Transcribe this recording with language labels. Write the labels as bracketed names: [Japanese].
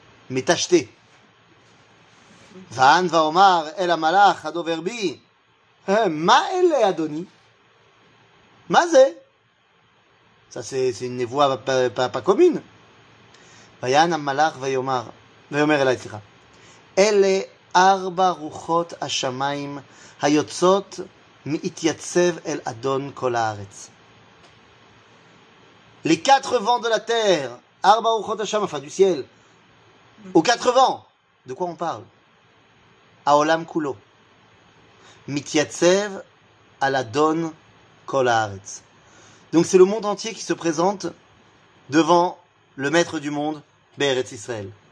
[French] Mais tachetés. [Hebrew] Va'an va'omar el amalach adoverbi. Ma'ele adoni. Ma'ze. [French] Ça, c'est une voix pas commune. [Hebrew] Va'an amalach va'yomar el aitira. Ele ארבע רוחות השמיים היוצאות מתייצב אל אדון כל הארץ. [French] Les quatre vents de la terre, [Hebrew] ארבע רוחות השמיים, [French] enfin du ciel, aux quatre vents, de quoi on parle? [Hebrew] העולם כולו. מתייצב אל אדון כל הארץ. [French] Donc c'est le monde entier qui se présente devant le maître du monde, [Hebrew] בארץ ישראל.